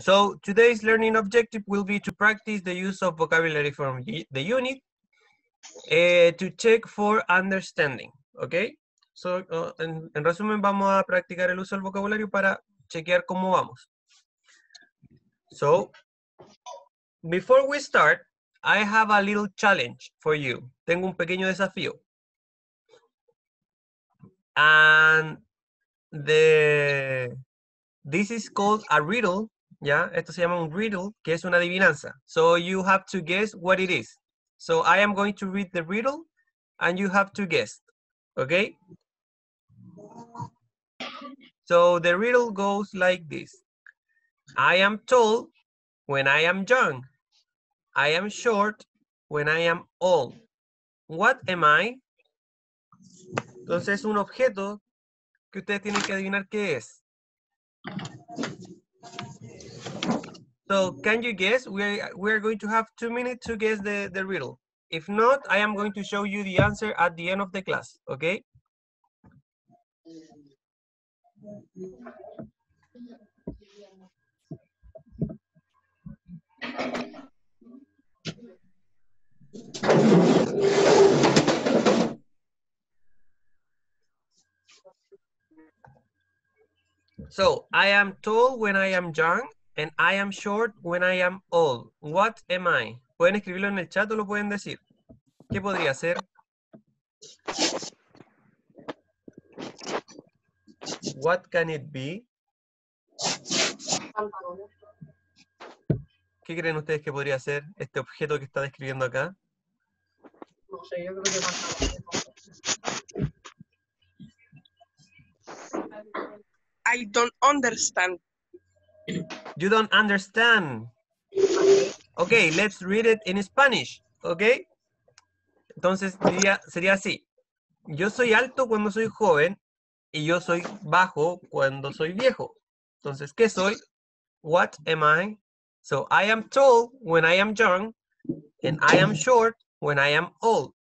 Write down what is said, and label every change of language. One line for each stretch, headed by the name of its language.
English: So today's learning objective will be to practice the use of vocabulary from the unit to check for understanding.
Spanish: Okay, so en resumen, vamos a practicar el uso del vocabulario para chequear cómo vamos.
English: So before we start, I have a little challenge for you.
Spanish: Tengo un pequeño desafío.
English: And this is called a riddle, yeah?
Spanish: Esto se llama un riddle, que es una adivinanza.
English: So you have to guess what it is. So I am going to read the riddle and you have to guess, okay? So the riddle goes like this. I am tall when I am young. I am short when I am old. What am I?
Spanish: Entonces, un objeto que ustedes tienen que adivinar qué es.
English: So, can you guess? We are going to have 2 minutes to guess the riddle. If not, I am going to show you the answer at the end of the class, okay? So, I am tall when I am young, and I am short when I am old. What am I?
Spanish: Pueden escribirlo en el chat o lo pueden decir. ¿Qué podría ser?
English: What can it be?
Spanish: ¿Qué creen ustedes que podría ser este objeto que está describiendo acá? No sé, yo creo que
English: I don't understand. You don't understand. Okay, let's read it in Spanish. Okay?
Spanish: Entonces, sería así. Yo soy alto cuando soy joven y yo soy bajo cuando soy viejo. Entonces, ¿qué soy?
English: What am I? So, I am tall when I am young and I am short when I am old.